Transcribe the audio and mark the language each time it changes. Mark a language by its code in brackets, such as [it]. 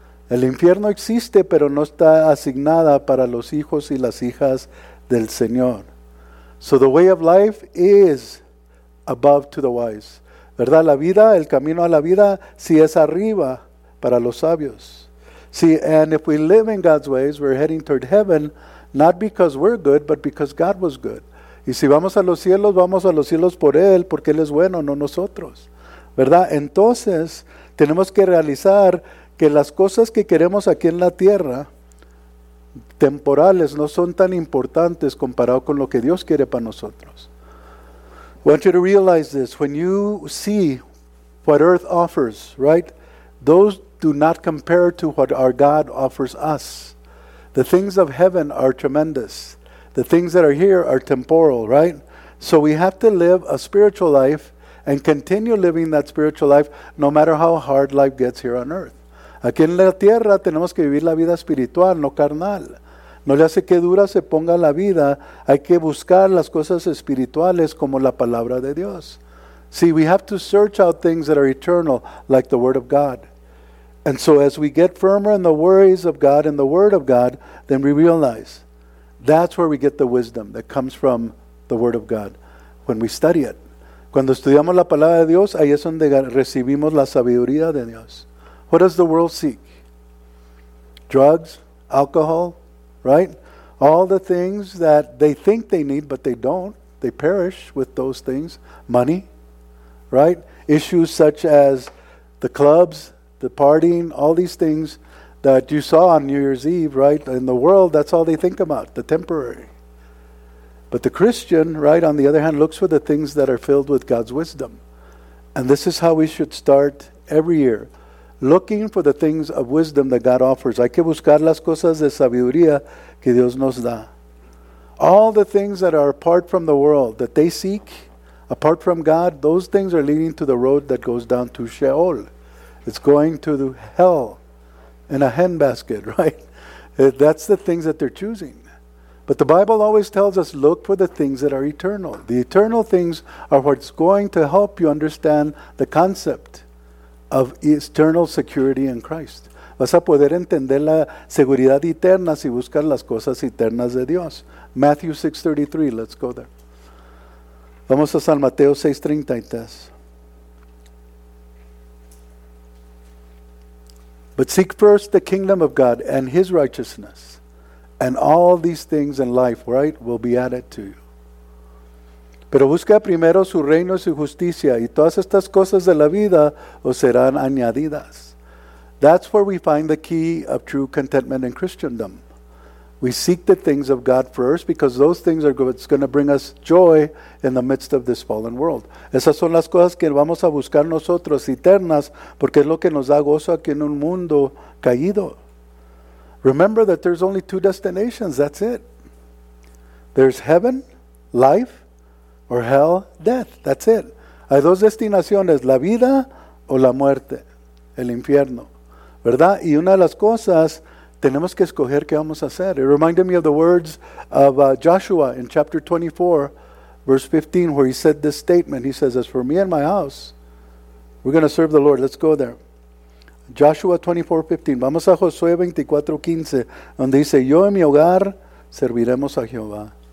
[es] El infierno existe, pero no está asignada para los hijos y las hijas del Señor. [en] So the way of life is above to the wise. [es] ¿Verdad? La vida, el camino a la vida, sí es arriba para los sabios. [en] See, and if we live in God's ways, we're heading toward heaven, not because we're good, but because God was good. [es] Y si vamos a los cielos, vamos a los cielos por Él, porque Él es bueno, no nosotros. ¿Verdad? Entonces, tenemos que realizar que las cosas que queremos aquí en la tierra, temporales, no son tan importantes comparado con lo que Dios quiere para nosotros. [en] I want you to realize this. When you see what earth offers, right? Those do not compare to what our God offers us. The things of heaven are tremendous. The things that are here are temporal, right? So we have to live a spiritual life and continue living that spiritual life no matter how hard life gets here on earth. [es] Aquí en la tierra tenemos que vivir la vida espiritual, no carnal. No le hace que dura se ponga la vida. Hay que buscar las cosas espirituales como la palabra de Dios. [en] See, we have to search out things that are eternal, like the Word of God. And so as we get firmer in the worries of God and the Word of God, then we realize that's where we get the wisdom that comes from the Word of God, when we study it. [es] Cuando estudiamos la palabra de Dios, ahí es donde recibimos la sabiduría de Dios. [en] What does the world seek? Drugs, alcohol, right? All the things that they think they need, but they don't. They perish with those things. Money, right? Issues such as the clubs, the partying, all these things that you saw on New Year's Eve, right? In the world, that's all they think about, the temporary. But the Christian, right, on the other hand, looks for the things that are filled with God's wisdom. And this is how we should start every year, looking for the things of wisdom that God offers. [es] Hay que buscar las cosas de sabiduría que Dios nos da. [en] All the things that are apart from the world, that they seek, apart from God, those things are leading to the road that goes down to Sheol. It's going to the hell in a handbasket, right? That's the things that they're choosing. But the Bible always tells us, look for the things that are eternal. The eternal things are what's going to help you understand the concept of eternal security in Christ. [es] Vas a poder entender la seguridad eterna si buscas las cosas eternas de Dios. [en] Matthew 6:33, let's go there. [es] Vamos a San Mateo 6:33. [en] But seek first the kingdom of God and his righteousness. And all these things in life, right, will be added to you. [es] Pero busca primero su reino y su justicia, y todas estas cosas de la vida os serán añadidas. [en] That's where we find the key of true contentment in Christendom. We seek the things of God first, because those things are what's going to bring us joy in the midst of this fallen world. [es] Esas son las cosas que vamos a buscar nosotros eternas, porque es lo que nos da gozo aquí en un mundo caído. [en] Remember that there's only two destinations, that's it. There's heaven, life, or hell, death, that's it. [es] Hay dos destinaciones, la vida o la muerte, el infierno, ¿verdad? Y una de las cosas, tenemos que escoger qué vamos a hacer. [en] It reminded me of the words of Joshua in chapter 24, verse 15, where he said this statement. He says, as for me and my house, we're going to serve the Lord. Let's go there. [es] Joshua 24:15. Vamos a Josué 24:15, donde dice, yo en mi hogar serviremos a Jehová.